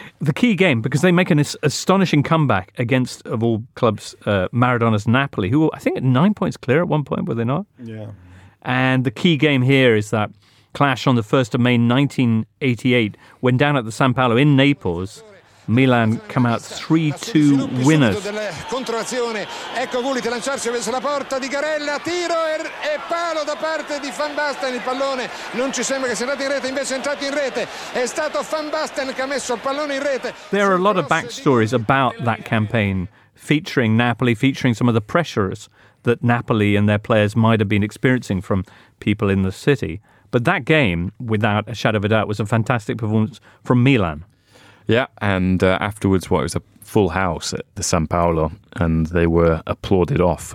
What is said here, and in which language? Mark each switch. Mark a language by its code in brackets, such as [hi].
[en] The key game, because they make an astonishing comeback against, of all clubs, Maradona's Napoli, who were, I think, 9 points clear at one point, were they not? Yeah. And the key game here is that clash on the 1st of May 1988, when down at the San Paolo in Naples, Milan come out 3-2 winners. [it] Contrazione. Ecco Gullit lanciarsi verso la porta di Garella, tiro e palo da parte di Van Basten, il pallone non ci sembra che sia andato in rete, invece è entrato in rete. È stato Van Basten che ha messo il pallone in rete. [en] There are a lot of backstories about that campaign featuring Napoli, featuring some of the pressures that Napoli and their players might have been experiencing from people in the city. But that game, without a shadow of a doubt, was a fantastic performance from Milan. Yeah, and afterwards, it was a full house at the San Paolo, and they were applauded off.